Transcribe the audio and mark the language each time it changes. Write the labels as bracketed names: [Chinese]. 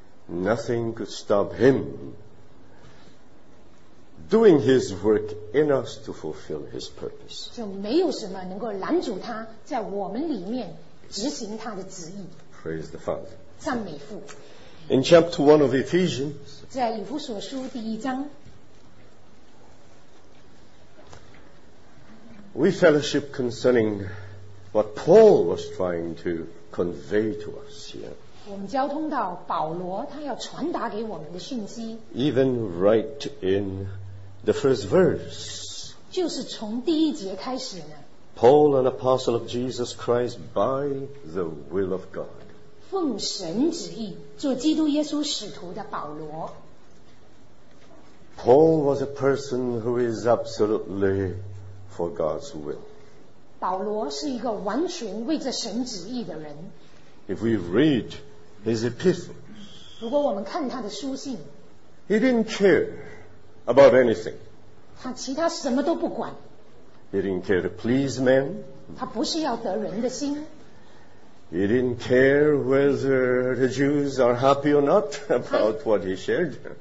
[English] nothing could stop him doing his work in us to fulfill his purpose. [Chinese] 就没有什么能够拦阻他在我们里面执行他的旨意。 [English] Praise the Father. [Chinese] 赞美父。 [English] In chapter 1 of Ephesians, [Chinese] 在以弗所书第一章, [English] we fellowship concerning what Paul was trying to convey to us here. [Chinese] 我们交通到保罗他要传达给我们的讯息, [English] even right in the first verse, [Chinese] 就是从第一节开始呢, [English] Paul, an apostle of Jesus Christ by the will of God, [Chinese] 奉神旨意, 做基督耶稣使徒的保罗, [English] Paul was a person who is absolutely for God's will. [Chinese] 保罗是一个完全为着神旨意的人。 [English] If we read his epistles, [Chinese] 如果我们看他的书信, [English] he didn't care about anything. [Chinese] 他其他什么都不管。 [English] He didn't care to please men. [Chinese] 他不是要得人的心。 [English] He didn't care whether the Jews are happy or not about what he shared.